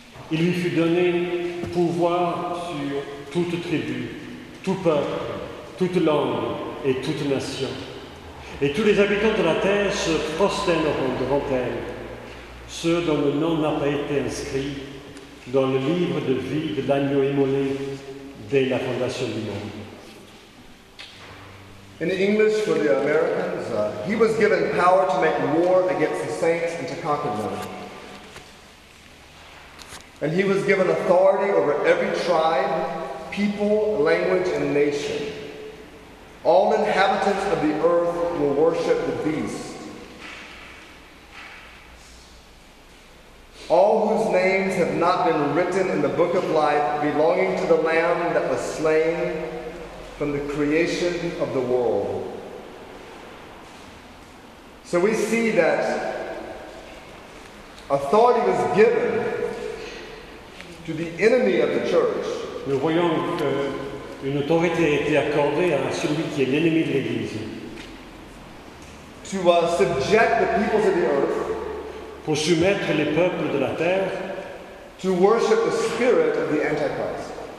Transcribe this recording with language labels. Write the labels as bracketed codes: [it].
[fr] Il lui fut donné pouvoir sur toute tribu, tout peuple, toute langue et toute nation. Et tous les habitants de la terre se prosterneront devant elle, ceux dont le nom n'a pas été inscrit dans le livre de vie de l'agneau immolé dès la fondation du monde. [en] In English for the Americans, he was given power to make war against the saints and to conquer them. And he was given authority over every tribe, people, language, and nation. All inhabitants of the earth will worship the beast. All whose names have not been written in the book of life belonging to the Lamb that was slain from the creation of the world. So we see that authority was given to the enemy of the church. [fr] Nous voyons que une autorité a été accordée à celui qui est l'ennemi de l'Église. [en] To subject the peoples of the earth. [fr] Pour soumettre les peuples de la terre. [en] To worship the spirit of the Antichrist.